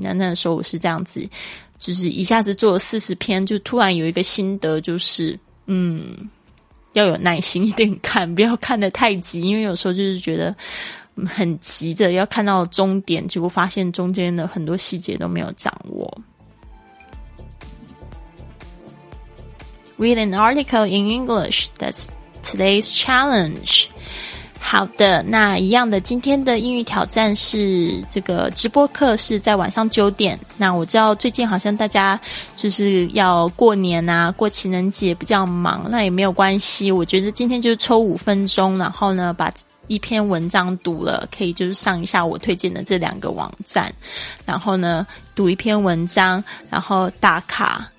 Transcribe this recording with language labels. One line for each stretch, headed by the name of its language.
Chinese: 那时候我是这样子，就是一下子做了40篇，就突然有一个心得，就是要有耐心一点看，不要看得太急，因为有时候就是觉得很急着要看到终点，结果发现中间的很多细节都没有掌握。
English: Read an article in English, that's today's challenge.
Chinese: 好的，那一样的，今天的英语挑战是这个直播课是在晚上九点。那我知道最近好像大家就是要过年啊，过情人节比较忙，那也没有关系，我觉得今天就抽五分钟，然后呢把一篇文章读了，可以就是上一下我推荐的这两个网站，然后呢读一篇文章然后打卡。